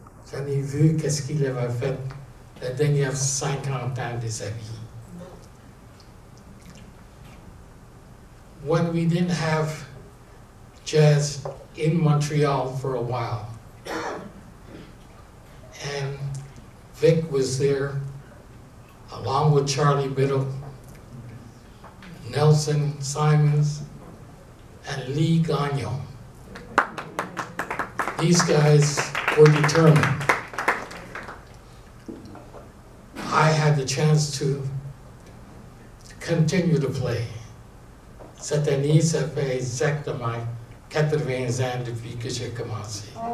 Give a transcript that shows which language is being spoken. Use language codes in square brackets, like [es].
[fr] J'en ai vu qu'est-ce qu'il avait fait les dernières 50 ans de sa vie. [en] When we didn't have jazz in Montreal for a while, and Vic was there along with Charlie Biddle, Nelson Simons, and Lee Gagnon. These guys were determined. I had the chance to continue to play. [fr] Cette année, ça fait exactement 80 ans depuis que j'ai commencé.